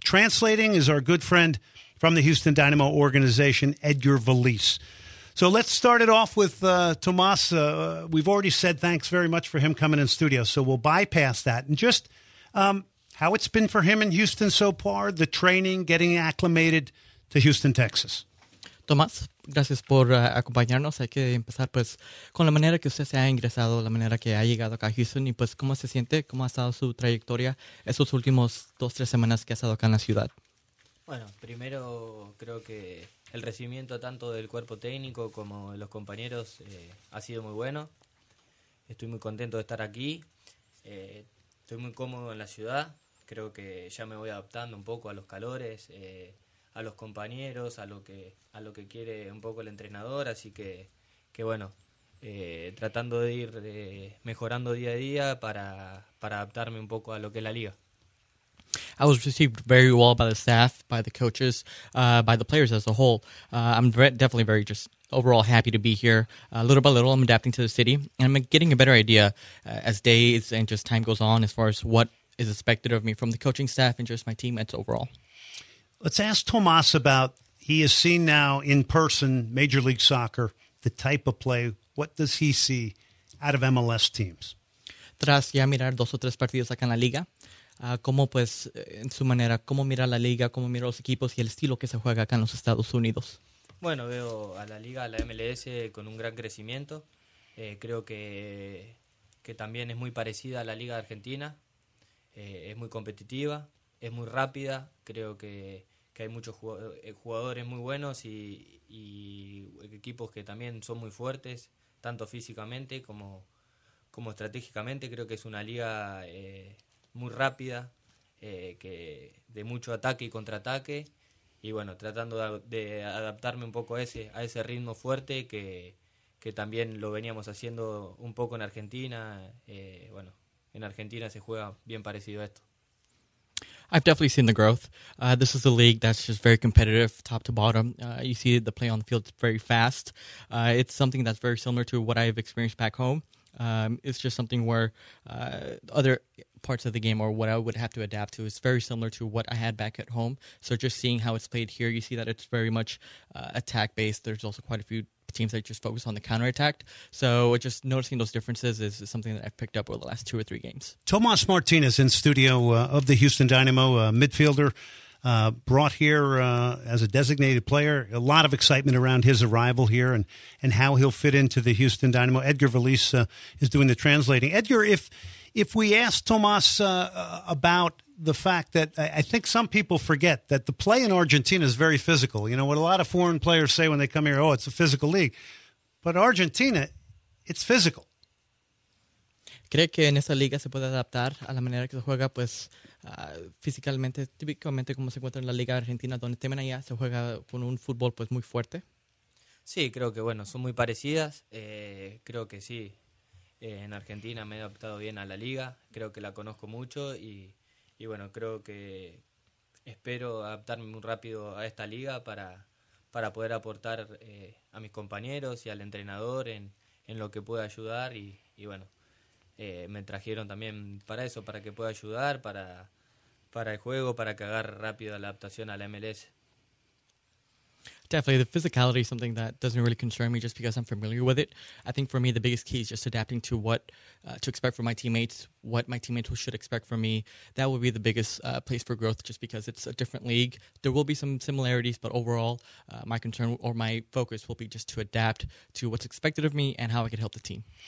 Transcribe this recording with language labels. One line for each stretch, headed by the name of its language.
English: Translating is our good friend from the Houston Dynamo organization, Edgar Valise. So let's start it off with Tomas. We've already said thanks very much for him coming in studio, so we'll bypass that. And just how it's been for him in Houston so far, the training, getting acclimated to Houston, Texas.
Spanish: Tomas, gracias por acompañarnos. Hay que empezar pues con la manera que usted se ha ingresado, la manera que ha llegado acá a Houston y pues cómo se siente, cómo ha estado su trayectoria esos últimos dos, tres semanas que ha estado acá en la ciudad. Bueno, primero creo que el recibimiento tanto del cuerpo técnico como de los compañeros ha sido muy bueno. Estoy muy contento de estar aquí. Estoy muy cómodo en la ciudad. Creo que ya me voy adaptando un poco a los calores, a los compañeros, a lo que quiere un poco el entrenador. Así que bueno, tratando de ir mejorando día a día para adaptarme un poco a lo que es la liga.
English: I was received very well by the staff, by the coaches, by the players as a whole. I'm definitely very just overall happy to be here. Little by little, I'm adapting to the city, and I'm getting a better idea as days and just time goes on as far as what is expected of me from the coaching staff and just my teammates overall. Let's ask Tomas about, he has seen now in person Major League Soccer, the type of play. What does he see out of MLS teams?
Spanish: tras ya mirar dos o tres partidos acá en la liga, cómo pues, en su manera, cómo mira la liga, cómo mira los equipos y el estilo que se juega acá en los Estados Unidos? Bueno, veo a la liga, a la MLS, con un gran crecimiento. Creo que también es muy parecida a la liga argentina. Es muy competitiva, es muy rápida. Creo que hay muchos jugadores muy buenos y equipos que también son muy fuertes, tanto físicamente como estratégicamente. Creo que es una liga muy rápida, que de mucho ataque y contraataque. Y bueno, tratando de adaptarme un poco a ese ritmo fuerte que también lo veníamos haciendo un poco en Argentina. Bueno, en Argentina se juega bien parecido a esto.
English: I've definitely seen the growth. This is a league that's just very competitive, top to bottom. You see the play on the field very fast. It's something that's very similar to what I've experienced back home. It's just something where other parts of the game or what I would have to adapt to is very similar to what I had back at home. So just seeing how it's played here, you see that it's very much attack-based. There's also quite a few teams that just focus on the counterattack. So just noticing those differences is something that I've picked up over the last two or three games. Tomas Martinez in studio of the Houston Dynamo, a midfielder brought here as a designated player. A lot of excitement around his arrival here and how he'll fit into the Houston Dynamo. Edgar Valles is doing the translating. Edgar, if we ask Tomas about the fact that I think some people forget that the play in Argentina is very physical. You know, what a lot of foreign players say when they come here, oh, it's a physical league. But Argentina, it's physical.
Spanish: ¿Cree que en esta liga se puede adaptar a la manera que se juega, pues, físicamente, típicamente como se encuentra en la liga argentina, donde también allá se juega con un fútbol, pues, muy fuerte? Sí, creo que, bueno, son muy parecidas. Creo que sí. En Argentina me he adaptado bien a la liga. Creo que la conozco mucho y bueno, creo que espero adaptarme muy rápido a esta liga para poder aportar a mis compañeros y al entrenador en lo que pueda ayudar. Y bueno, me trajeron también para eso, para que pueda ayudar, para el juego, para que agarre rápido la adaptación a la MLS.
English: Definitely, the physicality is something that doesn't really concern me just because I'm familiar with it. I think for me, the biggest key is just adapting to what to expect from my teammates, what my teammates should expect from me. That would be the biggest place for growth just because it's a different league. There will be some similarities, but overall, my concern or my focus will be just to adapt to what's expected of me and how I could help the team.